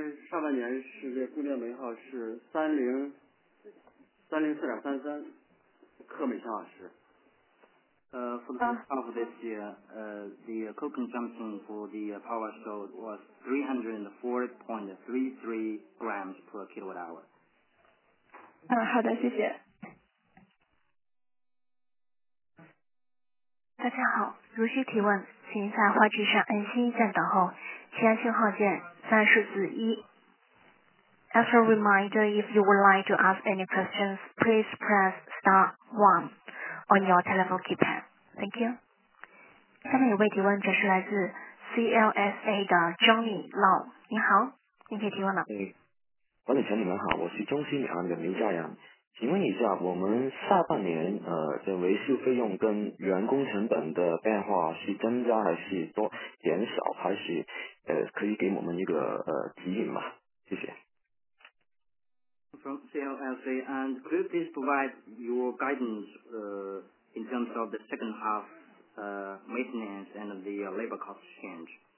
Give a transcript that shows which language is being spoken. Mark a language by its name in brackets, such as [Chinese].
[Chinese] 上半年是这供电煤耗是304.33克每千瓦时。 [English] For the first half of this year, the coal consumption for the power sold was 304.33 grams per kilowatt hour. [Chinese] 好的，谢谢。大家好，如需提问，请在话机上按星一键等候，先信号键，再数字一。 [English] As a reminder, if you would like to ask any questions, please press star 1 on your telephone keypad. Thank you. [Chinese] 下面一位提问者是来自 CLSA 的 Johnny Lau. 你好，你可以提问了。管理层你们好，我是中信银行的林佳阳。请问一下，我们下半年的维修费用跟员工成本的变化是增加还是多减少，还是可以给我们一个指引吗？谢谢。 [English] From CLSA, and could you please provide your guidance in terms of the second half maintenance and the labor cost change?